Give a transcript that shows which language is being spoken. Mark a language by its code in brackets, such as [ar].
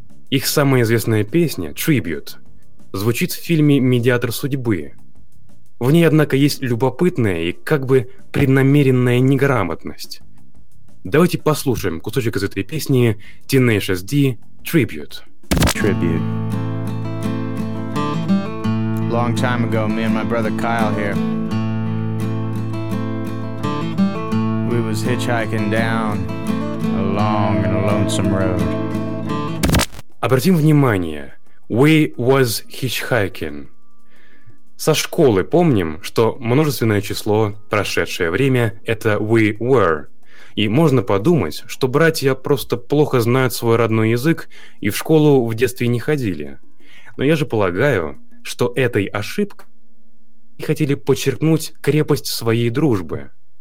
[ru] Их самая известная песня, Tribute, звучит в фильме «Медиатор судьбы». В ней, однако, есть любопытная и как бы преднамеренная неграмотность. Давайте послушаем кусочек из этой песни Tenacious D, Tribute. Tribute. [en] Long time ago, me and my brother Kyle here, we was hitchhiking down a long and lonesome road. [ru] Обратим внимание, [en] we was hitchhiking. [ru] Со школы помним, что множественное число, прошедшее время, это [en] we were. [ru] И можно подумать, что братья просто плохо знают свой родной язык и в школу в детстве не ходили. Но я же полагаю, что этой ошибкой хотели подчеркнуть крепость своей дружбы.